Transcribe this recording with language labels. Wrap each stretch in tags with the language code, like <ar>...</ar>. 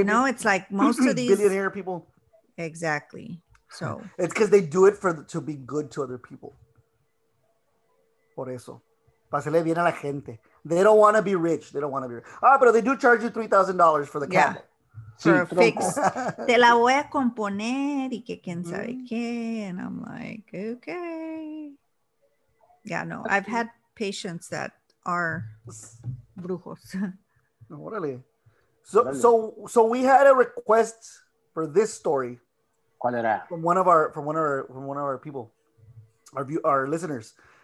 <en>You know, it's like most of these billionaire people. Exactly. So it's because they do it to be good to other people.</en> <es>Por eso. Pásale bien a la gente.</es> <en>They don't want to be rich. They don't want to be rich. Ah, but they do charge you $3,000 for the camel. Yeah. Perfect.</en> <es>Te la voy a componer y que quién sabe qué.</es> <en>And I'm like, okay. Yeah, no, I've had patients that are brujos.</en> <es>Orale.</es> <en>So we had a request for this story.</en> <es>¿Cuál era?</es> <en>From one of our people, our listeners.</en>